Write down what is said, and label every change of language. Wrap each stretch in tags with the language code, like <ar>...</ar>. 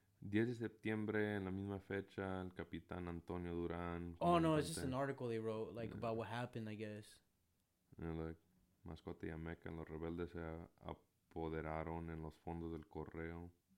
<es>10 de septiembre, en la misma fecha, el capitán Antonio Durán.</es> <en>Oh no, it's just an article they wrote, like about what happened, I guess. Yeah, like</en> <es>Mascota y Ameca, los rebeldes se apoderaron en los fondos del correo.</es>